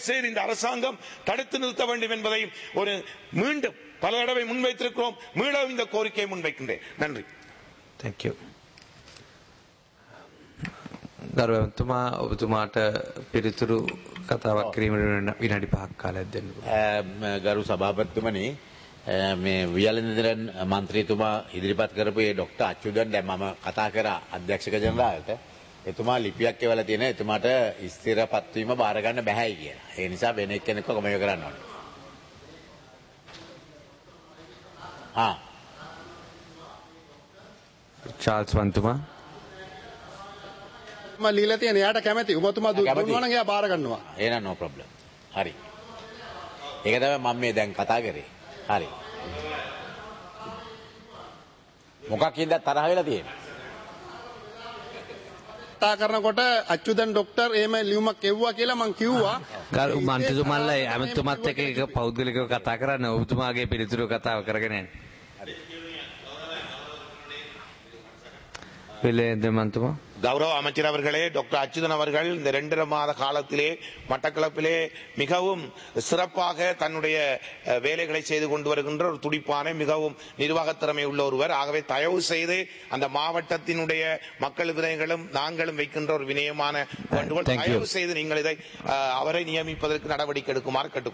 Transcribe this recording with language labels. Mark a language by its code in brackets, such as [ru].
[ta] இந்த அரசாங்கம் தடுத்து நிறுத்த வேண்டும் என்பதையும் ஒரு மீண்டும் பல தடவை முன்வைத்திருக்கிறோம். மீண்டும் இந்த கோரிக்கையை முன்வைக்கின்றேன். நன்றி. [en] Thank you. [si] ගරුතුමා ඔබතුමාට පිළිතුරු කතාවක් කිරීමට විනාඩි 5ක් කාලයක් දෙන්න. ගරු සභාපතිතුමනි, මේ වියළඳදරන් මන්ත්‍රීතුමා ඉදිරිපත් කරපු මේ ડોક્ટર අච්චුදන් දැන් මම කතා කරා අධ්‍යක්ෂක ජනරාල්ට. එතුමා ලිපියක් එවලා තියෙනවා, එතුමාට ස්ථිරපත් වීම බාර ගන්න බැහැයි කියලා. ඒ නිසා වෙන එක්කෙනෙක්ව කොමෙය කරන්න ඕනේ. හා චාල්ස් වන්තුමා මම ලීලා තියෙනවා, එයාට කැමැති. ඔබතුමා දුන්නා නම් එයා බාර ගන්නවා. එහෙනම් [en] no problem. [si] හරි. ඒක තමයි මම මේ දැන් කතා කරේ. හරි. මොකක්ද තරහ වෙලා තියෙන්නේ? කතා කරනකොට අච්චුදන් ડોක්ටර් එහෙම ලියුමක් එව්වා කියලා මං කිව්වා. ගරු මන්ත්‍රීතුමල්ලයි අමතුමත් එක්ක එක පෞද්ගලිකව කතා කරන්න ඔබතුමාගේ පිළිතුරු කතාව කරගෙන යන්න. හරි. [ta] கௌரவ அமைச்சர் அவர்களே டாக்டர் அச்சுதன் அவர்கள் இந்த 2.5 மாத காலத்திலே மட்டக்களப்பிலே மிகவும் சிறப்பாக தன்னுடைய வேலைகளை செய்து கொண்டு வருகின்ற ஒரு துடிப்பான மிகவும் நிர்வாக திறமை உள்ள ஒருவர். ஆகவே தயவு செய்து அந்த மாவட்டத்தினுடைய மக்கள் விதைகளும் நாங்களும் வைக்கின்ற ஒரு வினயமான வேண்டுகோள், தயவு செய்து நீங்கள் இதை அவரை நியமிப்பதற்கு நடவடிக்கை எடுக்குமாறு